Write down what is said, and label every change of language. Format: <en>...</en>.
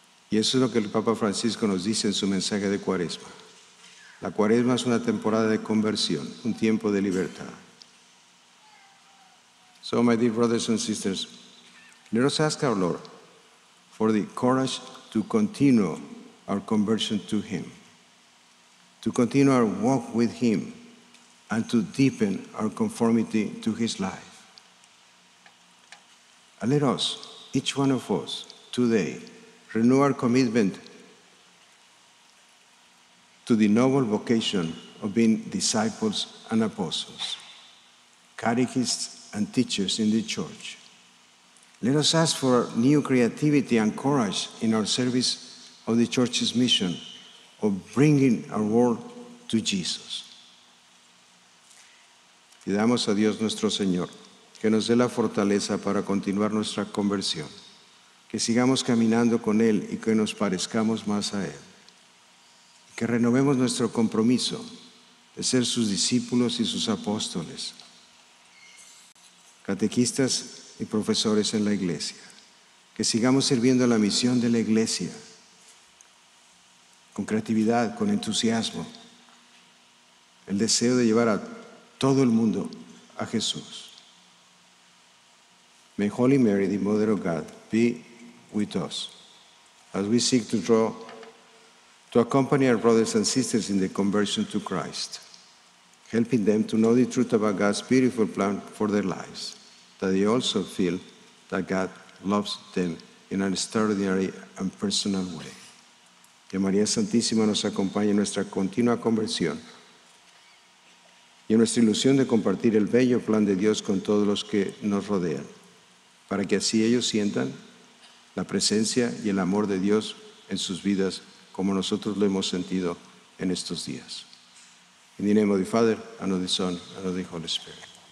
<es>Y eso es lo que el Papa Francisco nos dice en su mensaje de Cuaresma. La Cuaresma es una temporada de conversión, un tiempo de libertad.</es> <en>So, my dear brothers and sisters, let us ask our Lord for the courage to continue our conversion to Him, to continue our walk with Him, and to deepen our conformity to His life. And let us, each one of us, today, renew our commitment to the noble vocation of being disciples and apostles, catechists and teachers in the Church. Let us ask for new creativity and courage in our service of the Church's mission of bringing our world to Jesus.</en> <es>Pidamos a Dios nuestro Señor que nos dé la fortaleza para continuar nuestra conversión, que sigamos caminando con Él y que nos parezcamos más a Él, que renovemos nuestro compromiso de ser sus discípulos y sus apóstoles, catequistas y profesores en la Iglesia, que sigamos sirviendo a la misión de la Iglesia con creatividad, con entusiasmo, el deseo de llevar a todo el mundo a Jesús.</es> <en>May Holy Mary, the Mother of God, be with us as we seek to draw, to accompany our brothers and sisters in the conversion to Christ, helping them to know the truth about God's beautiful plan for their lives, that they also feel that God loves them in an extraordinary and personal way.</en> <es>Que María Santísima nos acompañe en nuestra continua conversión y en nuestra ilusión de compartir el bello plan de Dios con todos los que nos rodean, para que así ellos sientan la presencia y el amor de Dios en sus vidas, como nosotros lo hemos sentido en estos días.</es> <en>In the name of the Father, and of the Son, and of the Holy Spirit.</en>